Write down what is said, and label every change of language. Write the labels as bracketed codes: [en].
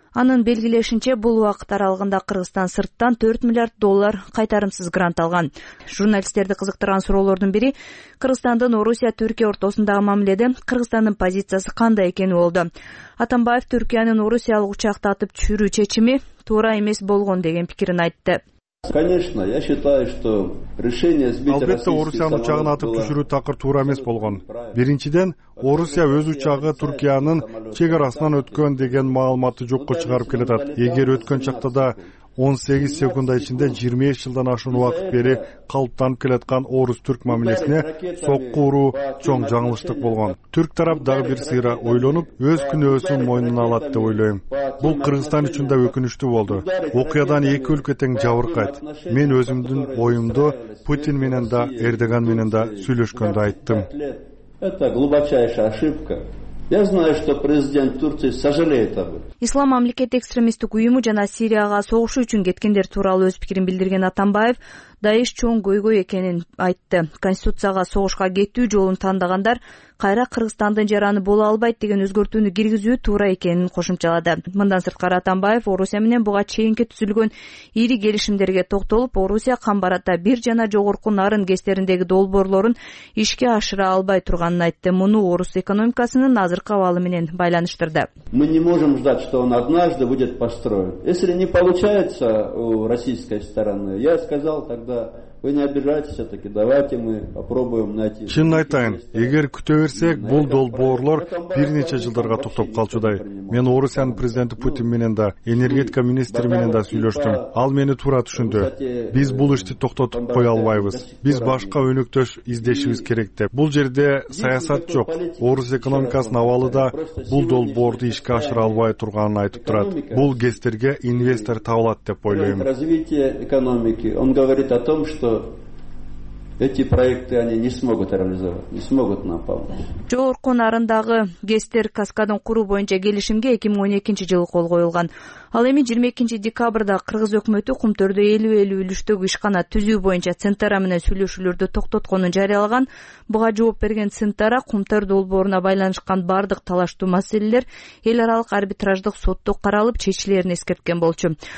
[ky] Анын белгилешинче, бул убакыт аралыгында Кыргызстан сырттан 4 миллиард доллар кайтарымсыз грант алган. Журналисттерди кызыктырган суроолордун бири Кыргызстандын Орусия Түркия ортосундагы мамиледе Кыргызстандын позициясы кандай экени болду. Атамбаев Түркиянын орусиялык учакты атып түшүрүү чечими туура эмес болгон деген пикирин айтты. [ru] Конечно, я считаю, что решение сбить [ky] албетте Орусиянын учагын атып түшүрүү такыр туура эмес болгон. Биринчиден, Орусия өз учагы Түркиянын чек арасынан өткөн деген маалыматты жокко чыгарып келатат. Эгер өткөн чакта да 18 секунда ичинде 25 жылдан ашуун убакыт бери калыптанып келаткан орус түрк мамилесине сокку уруу чоң жаңылыштык болгон. Түрк тарап дагы бир сыйра ойлонуп, өз күнөөсүн мойнуна алат деп ойлойм. Бул Кыргызстан үчүн да өкүнүчтүү болду. Окуядан эки өлкө тең жабыркайт. Мен өзүмдүн оюмду Путин менен да Эрдоган менен да сүйлөшкөндө айттым. [ru] Это глубочайшая ошибка. Я знаю, что президент Турции сожалеет об этом. [ky] Ислам мамлекети экстремисттик уюму жана Сирияга согушуу үчүн кеткендер тууралуу өз пикирин билдирген Атамбаев Даиш чоң көйгөй экенин айтты. Конституцияга согушка кетүү жолун тандагандар кайра Кыргызстандын жараны боло албайт деген өзгөртүүнү киргизүү туура экенин кошумчалады. Мындан сырткары Атамбаев Орусия менен буга чейинки түзүлгөн ири келишимдерге токтолуп, Орусия кам барата бир жана жогорку Нарын гестериндеги долбоорлорун ишке ашыра албай турганын айтты. Муну орус экономикасынын азыркы абалы менен байланыштырды. [ru] Мы не можем ждать, что он однажды будет построен. Если не получается у российской стороны, я сказал тогда Вы не обижайтесь, все-таки давайте мы попробуем найти. [ky] Чын айтайын, эгер күтө берсек, бул долбоорлор бир нече жылдарга токтоп калчудай. Мен Орусиянын президенти Путин менен да, энергетика министри менен да сүйлөштүм. Ал мени туура түшүндү. Биз бул ишти токтотуп кое албайбыз. Биз башка өнөктөш издешибиз керек деп. Бул жерде саясат жок. Орус экономикасынын абалы да бул долбоорду ишке ашыра албай турганын айтып турат. Бул гестерге инвестор табылат деп ойлойм. [ru] Развитие экономики. Он говорит о том, что эти проекты они не смогут реализовать, не смогут нам помочь. [ky] Жогорку нарындагы гестер каскадын куруу боюнча келишимге 2012 жылы кол коюлган. Ал эми 22 декабрда кыргыз өкмөтү Кумтөрдө 50-50 үлүштөгү ишкана түзүү боюнча Центара менен сүйлөшүүлөрдү токтотконун жарыялаган. Буга жооп берген Центара Кумтөр долбооруна байланышкан бардык талаштуу маселелер эл аралык арбитраждык сотто каралып чечилерин эскерткен болчу.